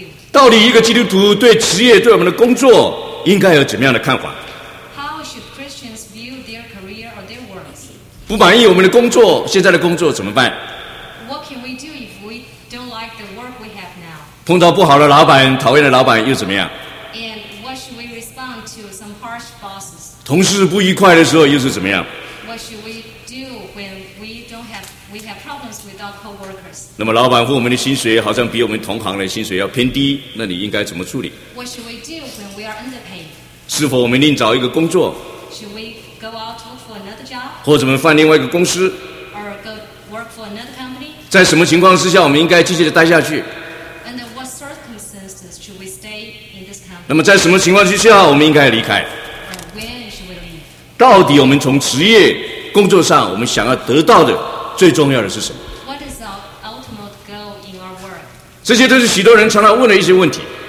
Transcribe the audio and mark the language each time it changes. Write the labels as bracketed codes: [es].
[zh] 到底一个基督徒对职业、对我们的工作应该有怎么样的看法？ [en] How should Christians view their career or their works? [zh] 不满意我们的工作，现在的工作怎么办？ [en] What can we do if we don't like the work we have now? [zh] 碰到不好的老板、讨厌的老板又怎么样？ [en] And what should we respond to some harsh bosses? [zh] 同事不愉快的时候又是怎么样？ [en] What should we do when we have problems with our coworkers? [zh] 那么老板付我们的薪水好像比我们同行的薪水要偏低，那你应该怎么处理？ [en] What should we do when we are underpaid? [zh] 是否我们另找一个工作？ [en] Should we go out to look for another job? [zh] 或者我们换另外一个公司？ [en] Or go work for another company? [zh] 在什么情况之下我们应该继续的待下去？ [en] And what circumstances should we stay in this company? [zh] 那么在什么情况之下我们应该离开？ [en] When should we leave? [zh] 到底我们从职业工作上我们想要得到的最重要的是什么？ [en] What is the ultimate goal in our work? [zh] 这些都是许多人常常问的一些问题。